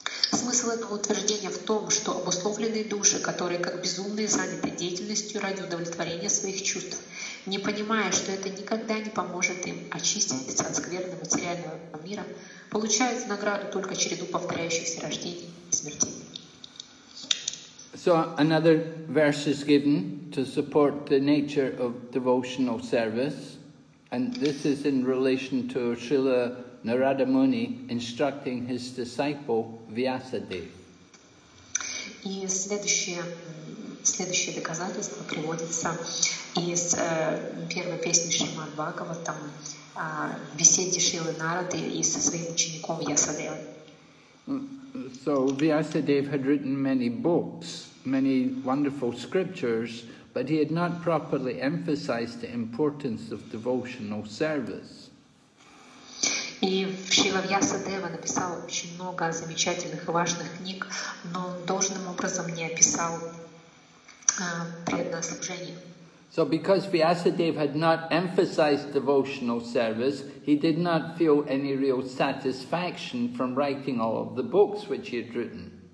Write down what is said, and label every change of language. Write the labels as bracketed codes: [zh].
[ru] Смысл этого утверждения в том, что обусловленные души, которые как безумные заняты деятельностью ради удовлетворения своих чувств, не понимая, что это никогда не поможет им очиститься от скверного материального мира, получают награду только череду повторяющихся рождений и смертей. [en] So another verse is given to support the nature of devotional service, and this is in relation to Srila Narada Muni instructing his disciple Vyasadeva. [ru] И следующее доказательство приводится из первой песни Шримад Бхагаватам, беседе Шрилы Нарады и со своим учеником Вьясадевой. [en] So Vyasadeva had written many books, many wonderful scriptures, but he had not properly emphasized the importance of devotional service. [ru] И Шрила Вьясадева написал очень много замечательных и важных книг, но он должным образом не описал преданное служение. [en] So because Vyasadeva had not emphasized devotional service, he did not feel any real satisfaction from writing all of the books which he had written.